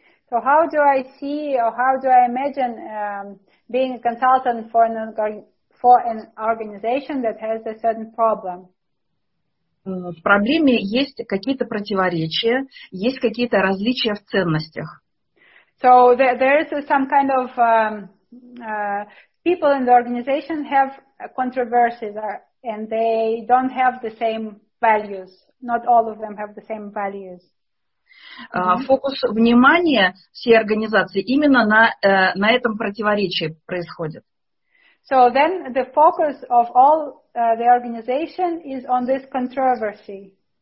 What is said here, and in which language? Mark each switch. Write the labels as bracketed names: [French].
[English] So how do I see or how do I imagine being a consultant for an organization that has a certain problem? [Russian] В проблеме есть какие-то противоречия, есть какие-то различия в ценностях. [English] So there is some kind of people in the organization have controversies and they don't have the same values. Not all of them have the same values. [Russian] Фокус внимания всей организации именно на этом противоречии происходит. [English] So then the focus of all the organization is on this controversy.